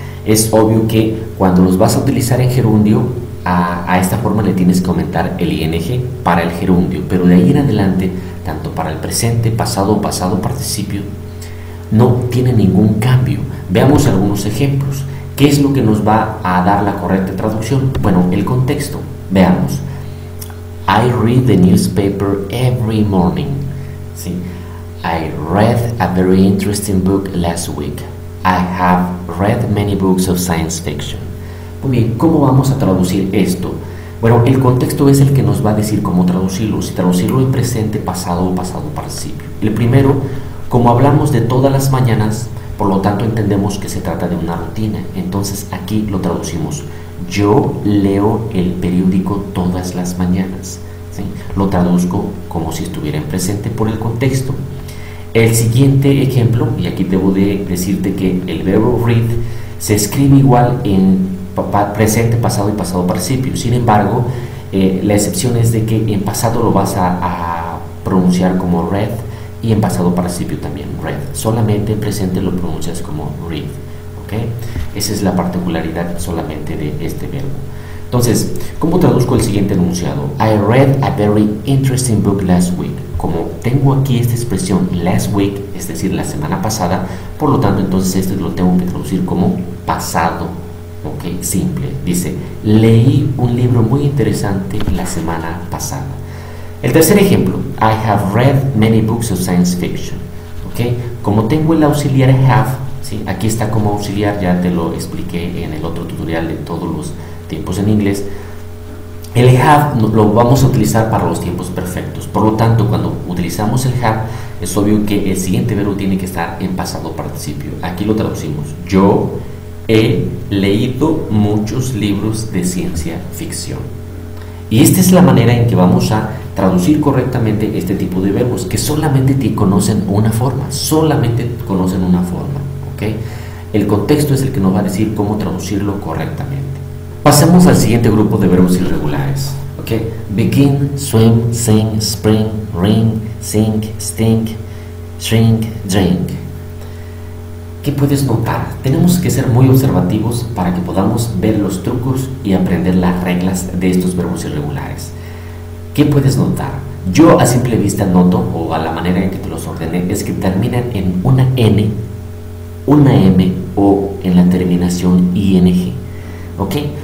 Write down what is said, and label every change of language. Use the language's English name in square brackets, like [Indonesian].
[Spanish] Es obvio que cuando los vas a utilizar en gerundio, a esta forma le tienes que aumentar el ing para el gerundio, pero de ahí en adelante, tanto para el presente, pasado, pasado, participio, no tiene ningún cambio. Veamos algunos ejemplos. ¿Qué es lo que nos va a dar la correcta traducción? Bueno, el contexto. Veamos. [English] I read the newspaper every morning. [Spanish] ¿Sí? [English] I read a very interesting book last week. I have read many books of science fiction. [Spanish] Muy bien, ¿cómo vamos a traducir esto? Bueno, el contexto es el que nos va a decir cómo traducirlo. Si traducirlo en presente, pasado o pasado participio. El primero, como hablamos de todas las mañanas, por lo tanto entendemos que se trata de una rutina. Entonces aquí lo traducimos. Yo leo el periódico todas las mañanas. ¿Sí? Lo traduzco como si estuviera en presente por el contexto. El siguiente ejemplo, y aquí debo de decirte que el verbo read se escribe igual en presente, pasado y pasado participio. Sin embargo, la excepción es de que en pasado lo vas a pronunciar como read. Y en pasado participio también, read. Solamente en presente lo pronuncias como read. ¿Okay? Esa es la particularidad solamente de este verbo. Entonces, ¿cómo traduzco el siguiente enunciado? [English] I read a very interesting book last week. [Spanish] Como tengo aquí esta expresión last week, es decir, la semana pasada, por lo tanto, entonces este lo tengo que traducir como pasado. ¿Okay? Simple. Dice, leí un libro muy interesante la semana pasada. El tercer ejemplo, [English] I have read many books of science fiction. ¿Okay? [Spanish] Como tengo el auxiliar have, ¿sí? Aquí está como auxiliar, ya te lo expliqué en el otro tutorial de todos los tiempos en inglés, El have lo vamos a utilizar para los tiempos perfectos. Por lo tanto, cuando utilizamos el have, es obvio que el siguiente verbo tiene que estar en pasado participio. Aquí lo traducimos. Yo he leído muchos libros de ciencia ficción. Y esta es la manera en que vamos a traducir correctamente este tipo de verbos, que solamente te conocen una forma. Solamente conocen una forma. ¿Okay? El contexto es el que nos va a decir cómo traducirlo correctamente. Pasemos al siguiente grupo de verbos irregulares. ¿Okay? [English] Begin, swim, sing, spring, ring, sink, stink, shrink, drink. [Spanish] ¿Qué puedes notar? Tenemos que ser muy observativos para que podamos ver los trucos y aprender las reglas de estos verbos irregulares. ¿Qué puedes notar? Yo a simple vista noto, o a la manera en que te los ordené, es que terminan en una N, una M o en la terminación ING. ¿Ok?